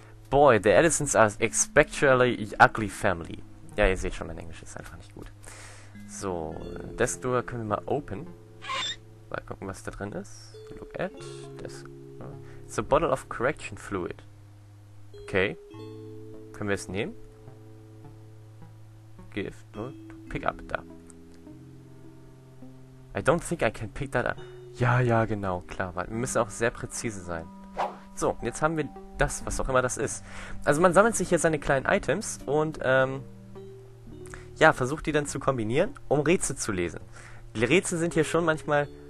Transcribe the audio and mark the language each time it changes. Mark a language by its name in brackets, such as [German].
[English] Boy, the Edisons are especially ugly family. [German] Ja, ihr seht schon, mein Englisch ist einfach nicht gut. So, Desk Door können wir mal open. Mal gucken, was da drin ist. [English] Look at this. It's a bottle of correction fluid. [German] Okay. Können wir es nehmen? Gift. Pick up da. [English] I don't think I can pick that up. [German] Ja, genau, klar. Wir müssen auch sehr präzise sein. So, jetzt haben wir das, was auch immer das ist. Also man sammelt sich hier seine kleinen Items und versucht die dann zu kombinieren, um Rätsel zu lesen. Die Rätsel sind hier schon manchmal.